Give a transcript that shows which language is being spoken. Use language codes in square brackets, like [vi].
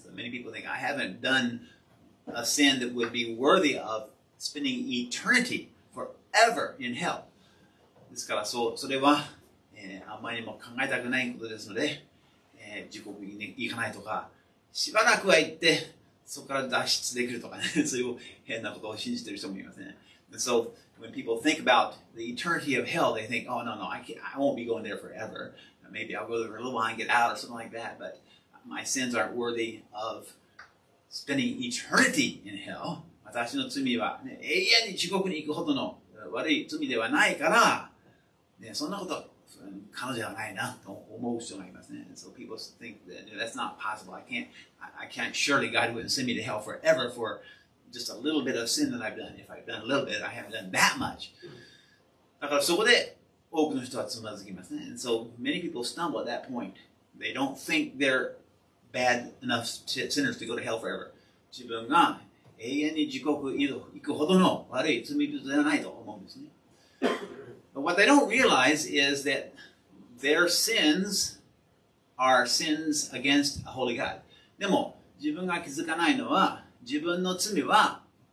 [en] So many people think, I haven't done a sin that would be worthy of spending eternity forever in hell. [ja] ですから、それは、あまりも考えたくないことですので、地獄に、ね、行かないとか、しばらくは行って、そこから脱出できるとかね、そういう変なことを信じている人もいますね。 [en] So, when people think about the eternity of hell, they think, oh, no, no, I won't be going there forever. Maybe I'll go there for a little while and get out or something like that, but my sins aren't worthy of spending eternity in hell. [ja] 私の罪は、ね、永遠に地獄に行くほどの悪い罪ではないから、ね、そんなこと、彼女ではないなと思う人がいますね。 [en] So people think that that's not possible. I can't surely God wouldn't send me to hell forever for just a little bit of sin that I've done. If I've done a little bit, I haven't done that much. [ja] だからそこで多くの人はつまずきますね。 [en] And so many people stumble at that point. They don't think they're bad enough sinners to go to hell forever. [ja] 自分が永遠に地獄行くほどの悪い罪人ではないと思うんですね。 [en] But what they don't realize is that their sins are sins against a holy God. [ja] でも、自分が気づかないのは、自分の罪は